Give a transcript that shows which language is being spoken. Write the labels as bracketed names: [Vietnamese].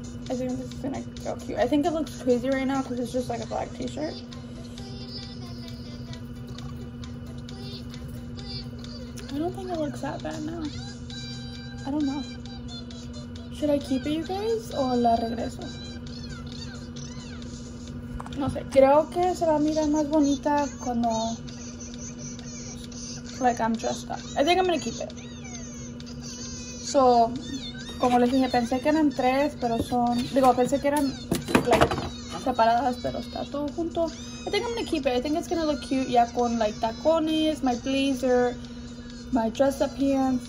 [English] I think this is gonna go cute. I think it looks crazy right now because it's just like a black t-shirt. I don't think it looks that bad now. I don't know. Should I keep it, you guys, or [Spanish] la regreso? No sé. Creo que se va a mirar más bonita cuando... [English] like I'm dressed up. I think I'm gonna keep it. [Spanish] So, como les dije, pensé que eran tres, pero son... digo, pensé que eran like separadas, pero está todo junto. [English] I think I'm gonna keep it. I think it's gonna look cute, yeah, [Spanish] con like tacones, [English] my blazer, my dress up pants.